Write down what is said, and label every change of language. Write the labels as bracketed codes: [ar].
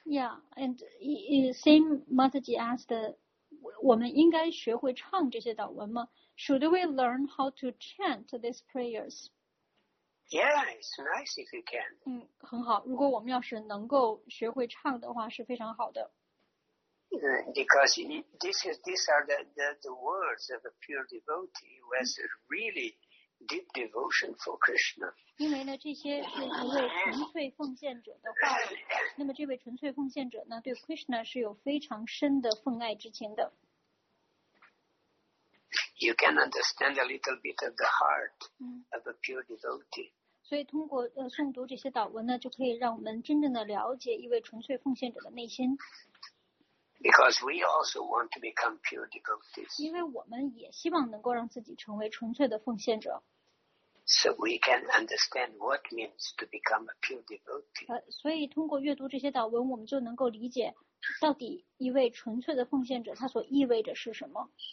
[en] Yeah, and same Mataji asked, [zh] 我们应该学会唱这些祷文吗 [en] ？Should we learn how to chant these prayers? Yeah, it's nice if you can. [zh] 很好。如果我们要是能够学会唱的话，是非常好的。 [en] Because these are the words of a pure devotee who has a really deep devotion for Krishna. [zh] 因为呢，这些是一位纯粹奉献者的话语。那么，这位纯粹奉献者呢，对 Krishna 是有非常深的奉爱之情的。 [en] You can understand a little bit of the heart of a pure devotee. [zh] 所以，通过诵读这些祷文呢，就可以让我们真正的了解一位纯粹奉献者的内心。 [en] Because we also want to become pure devotees. [zh] 因为我们也希望能够让自己成为纯粹的奉献者。 [en] So we can understand what means to become a pure devotee. [zh] 所以通过阅读这些祷文，我们就能够理解到底一位纯粹的奉献者他所意味着是什么？